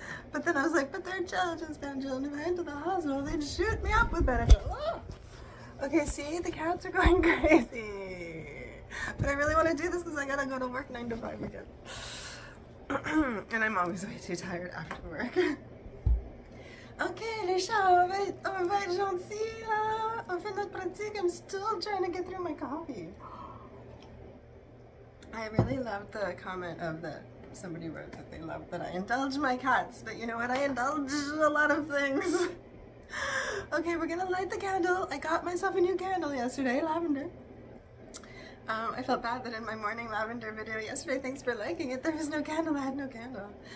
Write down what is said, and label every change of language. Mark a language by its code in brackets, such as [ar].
[en] But then I was like, but they're children's Benadryl. And if I went to the hospital, they'd shoot me up with Benadryl. Oh! Okay, see, the cats are going crazy. But I really want to do this because I gotta go to work 9 to 5 again. And I'm always way too tired after work. [fr] Okay, les chats, on va être gentil là. On fait notre pratique. [en] I'm still trying to get through my coffee. I really loved the comment of that somebody wrote that they loved that I indulge my cats. But you know what? I indulge a lot of things. Okay, we're gonna light the candle. I got myself a new candle yesterday, lavender. I felt bad that in my morning lavender video yesterday, thanks for liking it, there was no candle. I had no candle.